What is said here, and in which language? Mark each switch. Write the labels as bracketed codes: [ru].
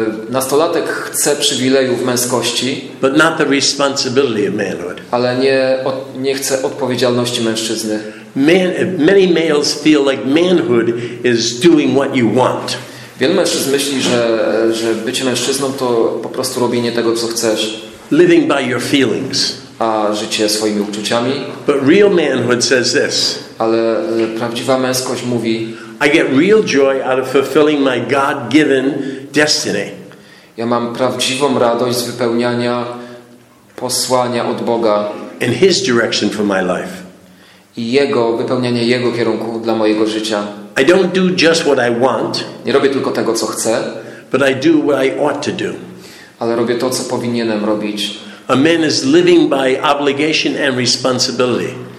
[pl] Nastolatek chce przywilejów męskości, [en] but not the responsibility of manhood. [pl] Ale nie chce odpowiedzialności mężczyzny. [en] Many males feel like manhood is doing what you want. [pl] Wielu mężczyzn myśli, że bycie mężczyzną to po prostu robienie tego, co chcesz. [en] Living by your feelings. [pl] A życie swoimi uczuciami. [en] But real manhood says this. [pl] Ale prawdziwa męskość mówi: [en] I get real joy out of fulfilling my God-given destiny. [pl] Ja mam prawdziwą radość z wypełniania posłania od Boga. [en] In His direction for my life. [pl] I jego wypełniania jego kierunku dla mojego życia. [en] I don't do just what I want. [pl] Nie robię tylko tego, co chcę. [en] But I do what I ought to do. [pl] Ale robię to, co powinienem robić. [en] A man is living by obligation and responsibility.